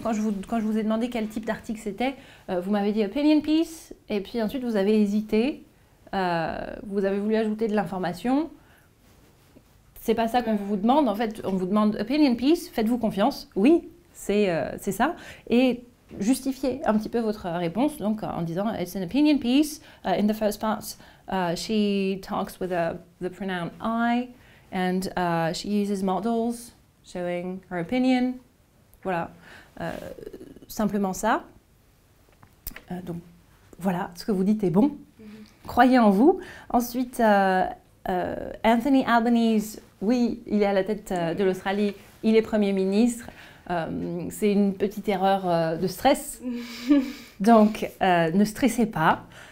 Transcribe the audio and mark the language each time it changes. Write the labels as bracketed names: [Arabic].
[French] Quand je vous ai demandé quel type d'article c'était, vous m'avez dit « [English] opinion piece [French] », et puis ensuite vous avez hésité, vous avez voulu ajouter de l'information. C'est pas ça qu'on vous demande. En fait, on vous demande [English] opinion piece, [French] faites-vous confiance. Oui, c'est ça. Et justifiez un petit peu votre réponse, donc en disant [English] it's an opinion piece. In the first part, she talks with the pronoun I, and she uses models showing her opinion. [French] Voilà, simplement ça. Donc voilà, ce que vous dites est bon. Croyez en vous. Ensuite, Anthony Albanese. Oui, il est à la tête de l'Australie, il est Premier ministre. C'est une petite erreur de stress. Donc, ne stressez pas.